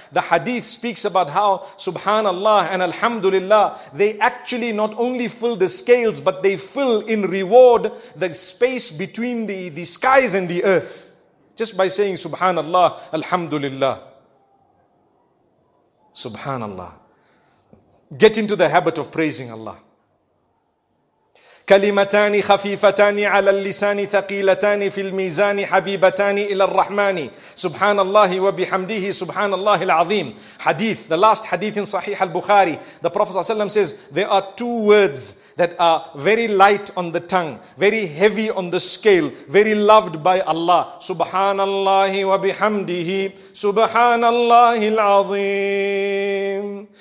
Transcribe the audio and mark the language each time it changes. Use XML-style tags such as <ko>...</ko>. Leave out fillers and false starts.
<en>The hadith speaks about how subhanallah and alhamdulillah, they actually not only fill the scales, but they fill in reward the space between the skies and the earth. Just by saying subhanallah, alhamdulillah. Subhanallah. Get into the habit of praising Allah.</en> <ar>كلمتان خفيفتان على اللسان ثقيلتان في الميزان حبيبتان إلى الرحمن سبحان الله وبحمده سبحان الله العظيم.</ar> <en>Hadith, the last hadith in Sahih al-Bukhari, the Prophet ﷺ says, there are two words that are very light on the tongue, very heavy on the scale, very loved by Allah.</en> <ar>Subhanallah wa bihamdihi, Subhanallah al-Azim.</ar>